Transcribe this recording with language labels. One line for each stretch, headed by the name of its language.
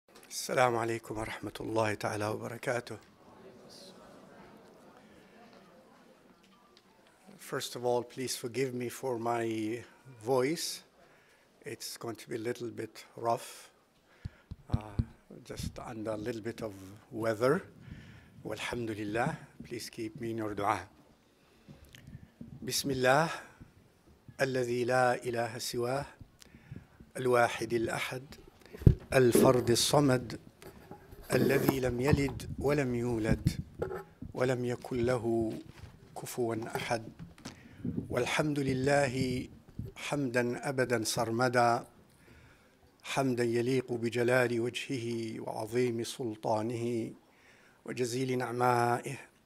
Arabic: السلام عليكم ورحمة الله تعالى وبركاته.
English: First of all, please forgive me for my voice. It's going to be a little bit rough, just under a little bit of weather.
Arabic: والحمد لله.
English: Please keep me in your dua.
Arabic: بسم الله الذي لا إله سواه الواحد الأحد الفرد الصمد الذي لم يلد ولم يولد ولم يكن له كفوا أحد والحمد لله حمدا أبدا سرمدا حمدا يليق بجلال وجهه وعظيم سلطانه وجزيل نعمائه